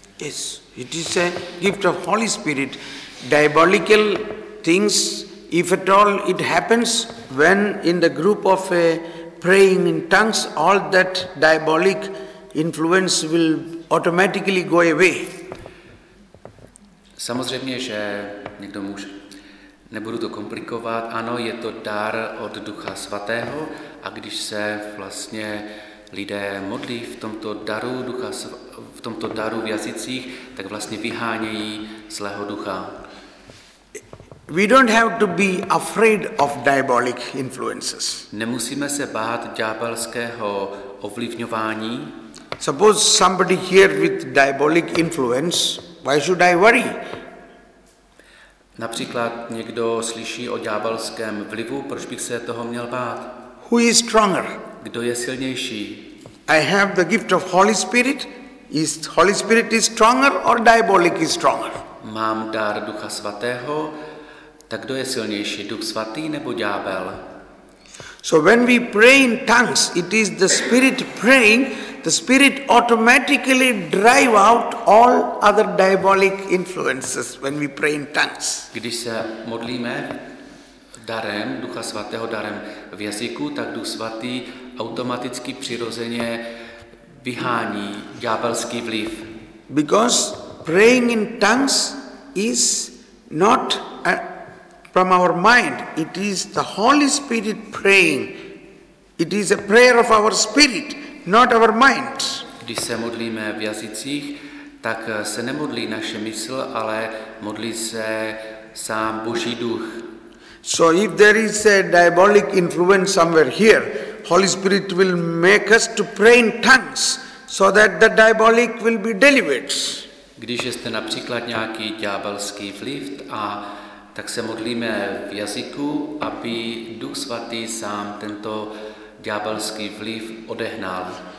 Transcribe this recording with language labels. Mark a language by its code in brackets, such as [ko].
[en] Yes, it is a gift of Holy Spirit. Diabolical things, if at all it happens, when in the group of a praying in tongues, all that diabolic influence will automatically go away. [cs] Samozřejmě, že někdo může. Nebudu to komplikovat. Ano, je to dar od Ducha Svatého a když se vlastně lidé modlí v tomto daru Ducha v tomto daru v jazycích, tak vlastně vyhánějí zlého ducha. [en] We don't have to be afraid of diabolic influences. [cs] Nemusíme se bát ďábelského ovlivňování. [en] Suppose somebody here with diabolic influence, why should I worry? [cs] Například někdo slyší o ďábelském vlivu, proč bych se toho měl bát? [en] Who is stronger? [cs] Kdo je silnější? [en] I have the gift of Holy Spirit. Is Holy Spirit is stronger or diabolic is stronger? [cs] mám dar Ducha Svatého, tak kdo je silnější, Duch Svatý nebo ďábel? [en] So when we pray in tongues, it is the Spirit praying, the Spirit automatically drive out all other diabolic influences when we pray in tongues. [cs] Když se modlíme darem Ducha Svatého, darem v jazyku, tak Duch Svatý automaticky přirozeně vyhání ďábelský vliv. [en] Because praying in tongues is not from our mind, it is the Holy Spirit praying. It is a prayer of our spirit, not our mind. [cs] Když se modlíme v jazycích, tak se nemodlí naše mysl, ale modlí se sám Boží duch. [en] So if there is a diabolic influence somewhere here, Holy Spirit will make us to pray in tongues, so that the diabolic will be delivered. [cs] Když jste například nějaký ďábelský vliv, a tak se modlíme v jazyku, aby Duch Svatý sám tento ďábelský vliv odehnal.